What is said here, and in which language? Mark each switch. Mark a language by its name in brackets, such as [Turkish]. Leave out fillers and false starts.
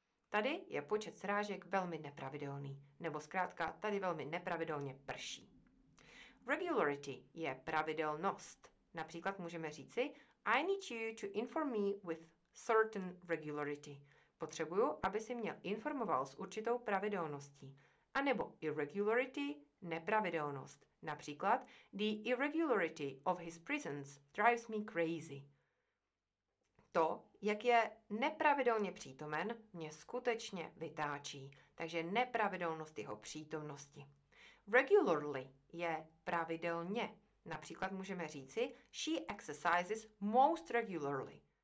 [Czech] Tady je počet srážek velmi nepravidelný. Nebo zkrátka tady velmi nepravidelně prší. Regularity je pravidelnost. Například můžeme říci [English] I need you to inform me with certain regularity. [Czech] Potřebuju, aby si mě informoval s určitou pravidelností. A nebo irregularity, nepravidelnost. [English] Například, the irregularity of his presence drives me crazy. [Czech] To, jak je nepravidelně přítomen, mě skutečně vytáčí. Takže nepravidelnost jeho přítomnosti. Regularly je pravidelně. Například můžeme říci, [English] she exercises most regularly.